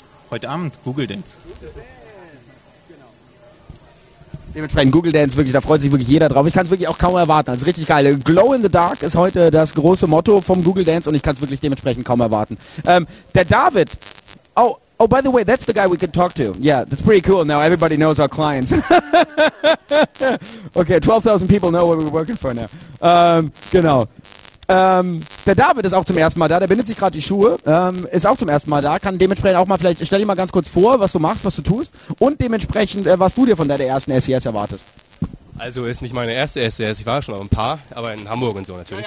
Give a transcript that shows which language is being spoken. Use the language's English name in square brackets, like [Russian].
[German] Heute Abend Google Dance. Dementsprechend Google Dance, wirklich, da freut sich wirklich jeder drauf. Ich kann es wirklich auch kaum erwarten. Das ist richtig geil. Glow in the Dark ist heute das große Motto vom Google Dance und ich kann es wirklich dementsprechend kaum erwarten. Der David. [English] Oh, by the way, that's the guy we could talk to. Yeah, that's pretty cool. Now everybody knows our clients. Okay, 12,000 people know what we're working for now. [German] Genau. Der David ist auch zum ersten Mal da, der bindet sich gerade die Schuhe, ist auch zum ersten Mal da, kann dementsprechend auch mal vielleicht, stell dir mal ganz kurz vor, was du machst, was du tust und dementsprechend, was du dir von deiner ersten SES erwartest. Also ist nicht meine erste SES, ich war schon auf ein paar, aber in Hamburg und so natürlich.